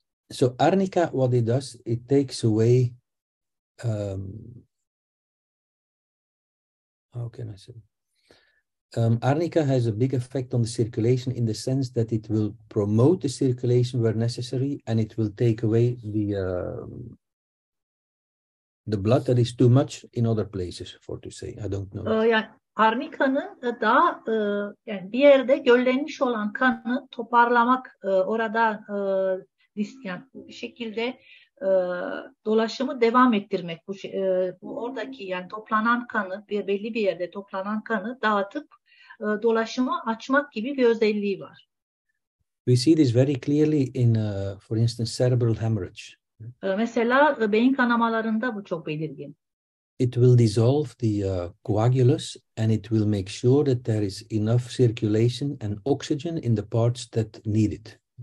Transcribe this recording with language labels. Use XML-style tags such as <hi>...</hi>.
<en>So Arnica, what it does, it takes away, how can I say? Arnica has a big effect on the circulation in the sense that it will promote the circulation where necessary, and it will take away the blood that is too much in other places, for to say. I don't know.</en> <tr>Arnica'nın daha yani bir yerde göllenmiş olan kanı toparlamak, orada bir şekilde dolaşımı devam ettirmek, bu oradaki yani toplanan kanı, belli bir yerde toplanan kanı dağıtıp dolaşımı açmak gibi bir özelliği var.</tr> <en>We see this very clearly in, for instance, cerebral hemorrhage.</en> <tr>Mesela beyin kanamalarında bu çok belirgin.</tr> <en>It will dissolve the coagulus and it will make sure that there is enough circulation and oxygen in the parts that need it.</en>